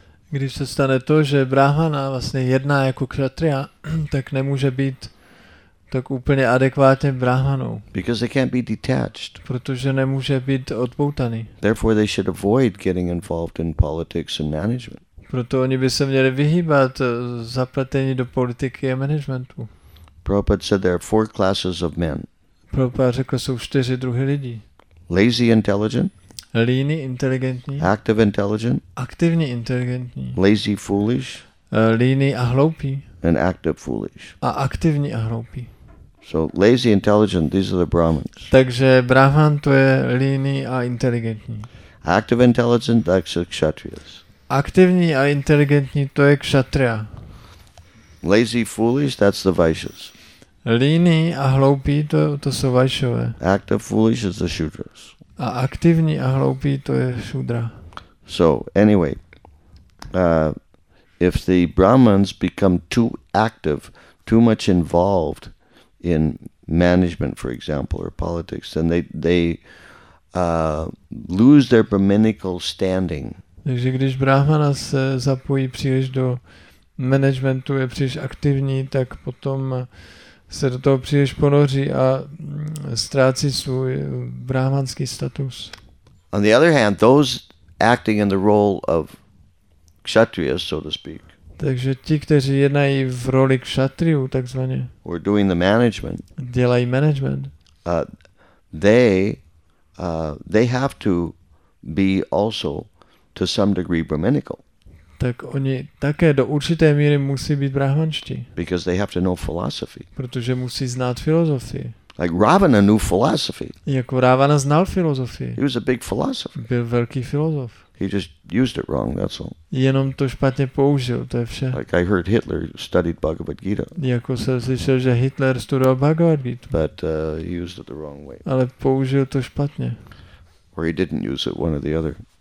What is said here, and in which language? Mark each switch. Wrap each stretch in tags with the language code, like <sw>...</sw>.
<cs>Když se stane to, že Brahmana vlastně jedná jako Kshatriya, tak nemůže být tak úplně adekvátně Brahmanou.</cs> <en>Because they can't be detached.</en> <cs>Protože nemůže být odpoutaný.</cs> <en>Therefore they should avoid getting involved in politics and management.</en> <cs>Proto oni by se měli vyhýbat zapletení do politiky a managementu.</cs> <en>Prabhupada said there are four classes of men.</en> <cs>Prabhupada řekl, jsou čtyři druhy lidí.</cs> <en>Lazy intelligent.</en> <cs>Líní inteligentní.</cs> <en>Active intelligent.</en> <cs>Aktivně inteligentní.</cs> <en>Lazy foolish.</en> <cs>Líní a hloupí.</cs> <en>And active foolish.</en> <cs>A aktivní a hloupí.</cs> <en>So lazy intelligent, these are the Brahmins.</en> <cs>Takže Brahman to je líní a inteligentní.</cs> <en>Active intelligent, that's the Kshatriyas.</en> <cs>Aktivní a inteligentní, to je Kshatriya.</cs> <en>Lazy foolish, that's the Vaishyas.</en> <cs>Líní a hloupí, to jsou Vaishyové.</cs> <en>Active foolish is the Shudras.</en> <cs>A aktivní a hloupí, to je Shudra.</cs> <en>So anyway, if the Brahmins become too active, too much involved in management, for example, or politics, then they lose their brahminical standing.</en> <cs>Takže když Brahmana se zapojí příliš do managementu, je příliš aktivní, tak potom se do toho příliš ponoří a ztrácí svůj brahmanský status.</cs> <en>On the other hand, those acting in the role of kshatriyas, so to speak.</en> <cs>Takže ti, kteří jednají v roli kšatriů, takzvaně.</cs> <en>We're doing the management.</en> <cs>Dělají management.</cs> <en>They have to be also to some degree brahminical.</en> <cs>Tak oni také do určité míry musí být brahmanští.</cs> <en>Because they have to know philosophy.</en> <cs>Protože musí znát filozofii.</cs> <en>Like Ravana knew philosophy.</en> <cs>Jako Ravana znal filozofii.</cs> <en>He was a big philosopher.</en> <cs>Byl velký filozof.</cs> <en>He just used it wrong, that's all.</en> <cs>Jenom to špatně použil, to je vše.</cs> <en>Like I heard Hitler studied Bhagavad Gita.</en> <cs>Jako jsem slyšel, že Hitler studoval Bhagavad Gita.</cs> <en>But he used it the wrong way.</en> <cs>Ale použil to špatně.</cs> <en>Or he didn't use it, one or the other.</en>